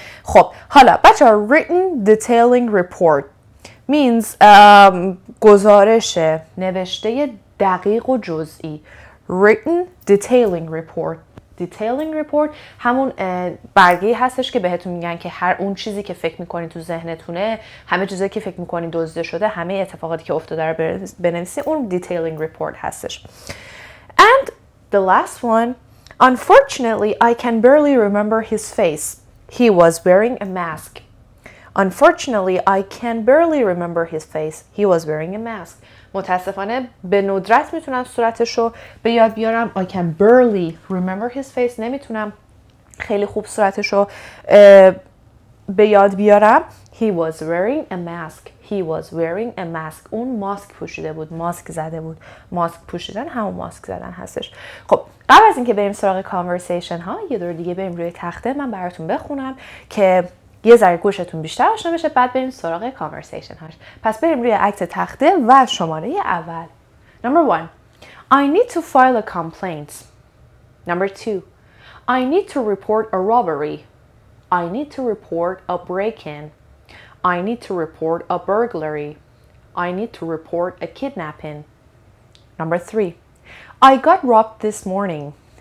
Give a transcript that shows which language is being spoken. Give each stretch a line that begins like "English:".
Persian: خب حالا بچه ها،
English: written detailing report means
Persian: گزارش نوشته دقیق و جزئی، written detailing report. Detailing report همون برگه‌ای هستش که بهتون میگن که هر اون چیزی که فکر میکنین تو ذهنتونه، همه چیزی که فکر میکنین دزده شده، همه اتفاقاتی که افتاده رو بنویسین، اون detailing report هستش.
English: And the last one, unfortunately I can barely remember his face. He was wearing a mask. Unfortunately I can barely remember his face. He was wearing a mask.
Persian: متاسفانه به ندرت میتونم صورتش رو به یاد بیارم.
English: I can barely remember his face.
Persian: نمیتونم خیلی خوب صورتش رو به یاد بیارم.
English: He was wearing a mask. He was wearing a mask.
Persian: اون ماسک پوشیده بود. ماسک زده بود. ماسک پوشیدن همون ماسک زدن هستش. خب قبل از اینکه بریم سراغ کانورسیشن ها، یه دور دیگه بریم روی تخته، من براتون بخونم که یه ذره گوشتون بیشتر آشنا بشه، بعد بریم سراغ کانورسیشن هاش. پس بریم روی عکس تخته و شماره اول.
English: Number one, I need to file a complaint. Number two, I need to report a robbery. I need to report a break-in. I need to report a burglary. I need to report a kidnapping. Number three, I got robbed this morning.